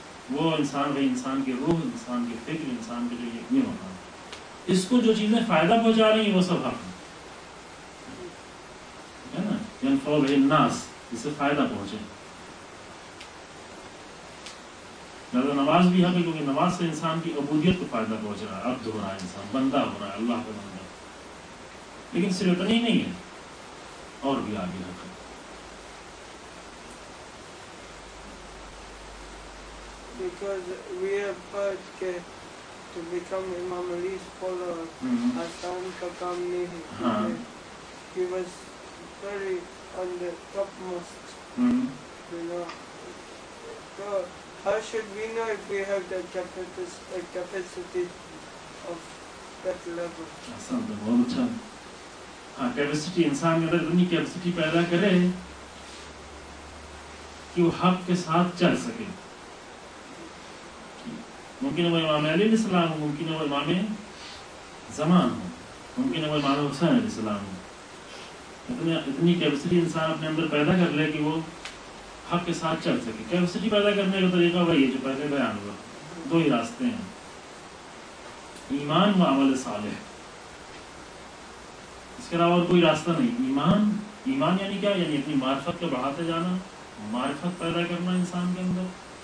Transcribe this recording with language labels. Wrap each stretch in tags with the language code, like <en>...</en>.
<ur>وہ انسان بھائی، انسان کی روح، انسان کی فکر، انسان کے لیے یقین ہونا، اس کو جو چیزیں فائدہ پہنچا رہی ہیں وہ سب حق ہیں، ہے نا،</ur> <ar>ینفع به الناس،</ar> <ur>اسے فائدہ پہنچے۔ لہذا نماز بھی حق ہے، کیونکہ نماز سے انسان کی عبودیت کو فائدہ پہنچ رہا ہے، عبد ہو رہا ہے انسان، بندہ ہو رہا ہے اللہ کا بندہ۔ لیکن صرف اتنا ہی نہیں ہے، اور بھی آگے حق ہے۔</ur> <en>Because we have heard ke to become Imam Ali's follower</en> <ur>aasan ka kaam nahi hai,</ur> <en>he was very on the topmost, you know, so how should we know if we have the capacity of that level?</en> <ur>Aasan to bahut acha hai, capacity insaan ke andar itni capacity paida kare ki wo haq ke sath chal sake۔ ممکن ہے وہ امام علی علیہ السلام ہوں، ممکن ہے وہ امام زمان ہوں، ممکن ہے وہ امام حسین علیہ السلام ہوں، اتنی کیپیسٹی انسان اپنے اندر پیدا کر لے کہ وہ حق کے ساتھ چل سکے۔ کیپیسٹی پیدا کرنے کا طریقہ وہی ہے جو پہلے بیان ہوا، دو ہی راستے ہیں، ایمان و عمل صالح، اس کے علاوہ اور کوئی راستہ نہیں۔ ایمان، ایمان یعنی کیا؟ یعنی اپنی معرفت کو بڑھاتے جانا، معرفت پیدا کرنا انسان کے اندر،</ur>